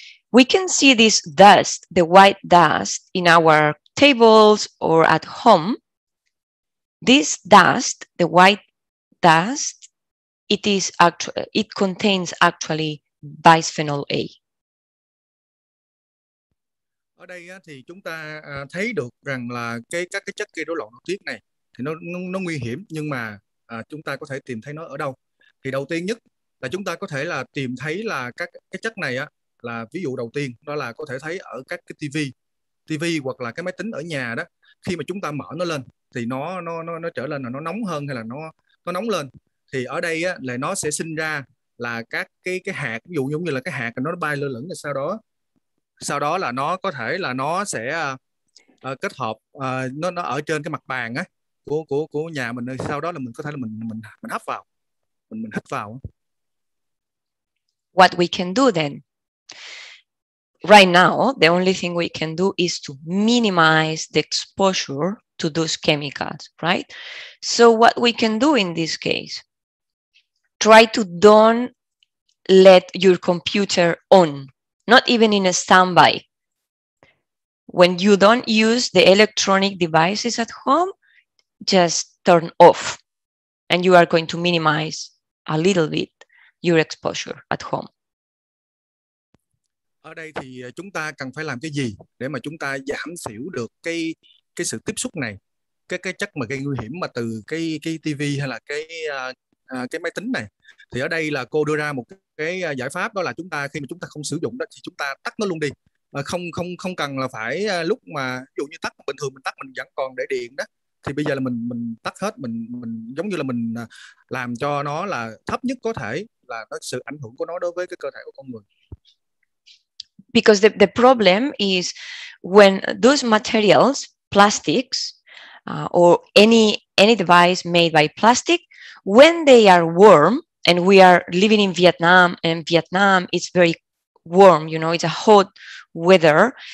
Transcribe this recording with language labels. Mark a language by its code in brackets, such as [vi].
[en] We can see this dust, the white dust, in our tables or at home, This dust, the white dust, it is actually, it contains actually bisphenol A. [vi] Ở đây thì chúng ta thấy được rằng là cái các cái chất gây rối loạn nội tiết này thì nó nguy hiểm, nhưng mà chúng ta có thể tìm thấy nó ở đâu? Thì đầu tiên nhất là chúng ta có thể là tìm thấy là các cái chất này á, là ví dụ đầu tiên đó là có thể thấy ở các cái TV hoặc là cái máy tính ở nhà đó, khi mà chúng ta mở nó lên thì nó trở lên là nó nóng hơn hay là nó nóng lên, thì ở đây á, là nó sẽ sinh ra là các cái hạt, ví dụ giống như là cái hạt nó bay lơ lửng, rồi sau đó là nó có thể là nó sẽ kết hợp nó ở trên cái mặt bàn á của nhà mình, sau đó là mình có thể là mình hấp vào, mình hít vào. [en] What we can do then? Right now, the only thing we can do is to minimize the exposure to those chemicals, right? So what we can do in this case, try to don't let your computer on, not even in a standby. When you don't use the electronic devices at home, just turn off, and you are going to minimize a little bit your exposure at home. [vi] Ở đây thì chúng ta cần phải làm cái gì để mà chúng ta giảm thiểu được cái sự tiếp xúc này, cái chất mà gây nguy hiểm mà từ cái TV hay là cái máy tính này. Thì ở đây là cô đưa ra một cái giải pháp, đó là chúng ta khi mà chúng ta không sử dụng đó thì chúng ta tắt nó luôn đi. Không cần là phải lúc mà ví dụ như tắt bình thường mình tắt mình vẫn còn để điện đó. Thì bây giờ là mình tắt hết, mình giống như là mình làm cho nó là thấp nhất có thể là nó, sự ảnh hưởng của nó đối với cái cơ thể của con người. [en] Because the problem is when those materials, plastics, or any device made by plastic, when they are warm, and we are living in Vietnam, and Vietnam is very warm, you know, it's a hot weather.